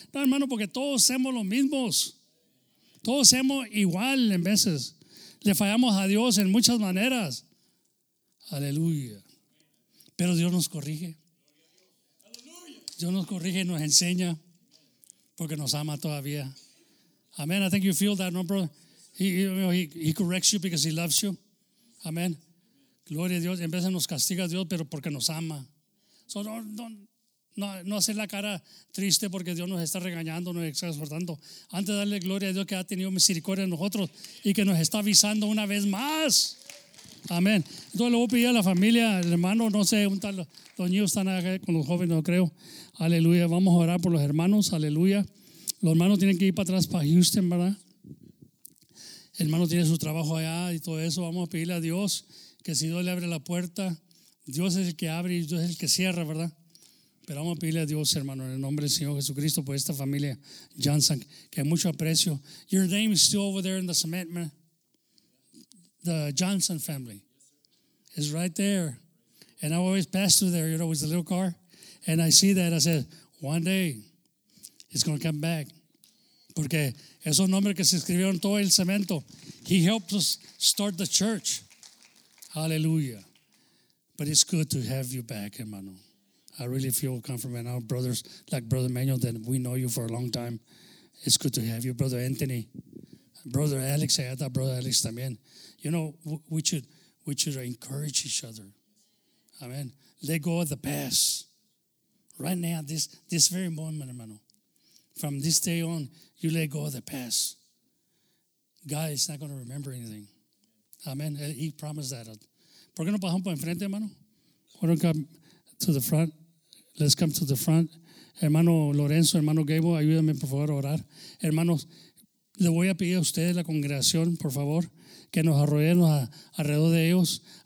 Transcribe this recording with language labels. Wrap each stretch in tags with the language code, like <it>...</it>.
<es>No, hermano, porque todos somos los mismos. Todos somos igual en veces. Le fallamos a Dios en muchas maneras. Aleluya. Pero Dios nos corrige. Dios nos corrige y nos enseña porque nos ama todavía. Amén.</es> <en>I think you feel that, no, brother? He corrects you because he loves you.</en> <es>Amen. Gloria a Dios. En vez de nos castiga a Dios, pero porque nos ama. So no hacer la cara triste porque Dios nos está regañando, nos está exhortando. Antes de darle gloria a Dios que ha tenido misericordia en nosotros y que nos está avisando una vez más. Amen. Entonces le voy a pedir a la familia, el hermano, no sé, un tal Doñillo están acá con los jóvenes, no creo. Aleluya. Vamos a orar por los hermanos. Aleluya. Los hermanos tienen que ir para atrás, para Houston, ¿verdad? El hermano tiene su trabajo allá y todo eso. Vamos a pedirle a Dios que si Dios le abre la puerta, Dios es el que abre y Dios es el que cierra, ¿verdad? Pero vamos a pedirle a Dios, hermano, en el nombre del Señor Jesucristo, por esta familia Johnson, que mucho aprecio.</es> <en>Your name is still over there in the cement, man. The Johnson family. It's right there. And I always pass through there, you know, with the little car. And I see that. I said, one day, it's going to come back.</en> <es>Porque esos nombres que se escribieron todo el cemento.</es> <en>He helped us start the church. Hallelujah. But it's good to have you back, hermano. I really feel comfortable. And our brothers, like Brother Manuel, that we know you for a long time. It's good to have you, Brother Anthony. Brother Alex, I had that Brother Alex</en> <es>también.</es> <en>You know, we should encourage each other. Amen. Let go of the past. Right now, this very moment, hermano. From this day on, you let go of the past. God is not going to remember anything. Amen. He promised that.</en> <es>¿Por qué no pasamos por enfrente, hermano?</es> <en>Why don't come to the front? Let's come to the front.</en> <es>Hermano Lorenzo, hermano Gabo, ayúdame, por favor, a orar. Hermanos, le voy a pedir a ustedes, la congregación, por favor, que nos arrollemos alrededor de ellos.</es>